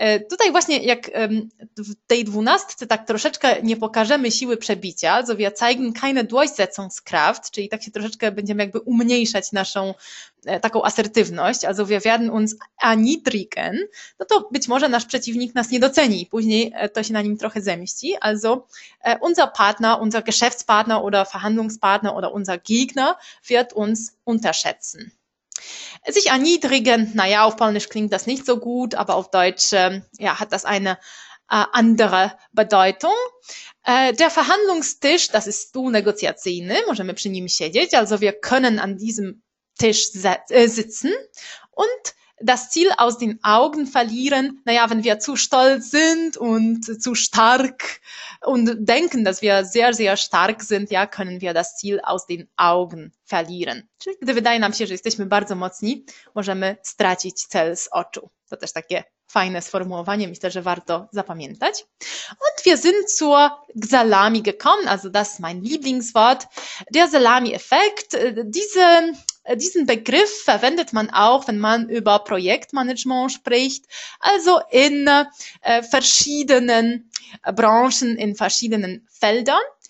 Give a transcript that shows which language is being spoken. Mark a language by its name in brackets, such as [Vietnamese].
[Polish] Tutaj właśnie jak w tej dwunastce, tak troszeczkę nie pokażemy siły przebicia, [German] so wir zeigen keine Durchsetzungskraft, [Polish] czyli tak się troszeczkę będziemy jakby umniejszać naszą taką asertywność, [German] also wir werden uns erniedrigen, [Polish] no to być może nasz przeciwnik nas nie doceni, później to się na nim trochę zemści, [German] also unser Partner, unser Geschäftspartner oder Verhandlungspartner oder unser Gegner wird uns unterschätzen. Sich erniedrigen, naja, auf Polnisch klingt das nicht so gut, aber auf Deutsch ja, hat das eine andere Bedeutung. Der Verhandlungstisch, das ist du, [Polish] negocjacyjny, możemy przy nim siedzieć, [German] also wir können an diesem Tisch sitzen, und das Ziel aus den Augen verlieren, naja, wenn wir zu stolz sind und zu stark und denken, dass wir sehr, sehr stark sind, ja, können wir das Ziel aus den Augen verlieren. [Polish] Czyli gdy wydaje nam się, że jesteśmy bardzo mocni, możemy stracić cel z oczu. To też takie fajne sformułowanie, myślę, że warto zapamiętać. [German] Und wir sind zur Salami gekommen, also das ist mein Lieblingswort, der Salami-Effekt. Diesen Begriff verwendet man auch, wenn man über Projektmanagement spricht, also in verschiedenen Branchen, in verschiedenen Feldern.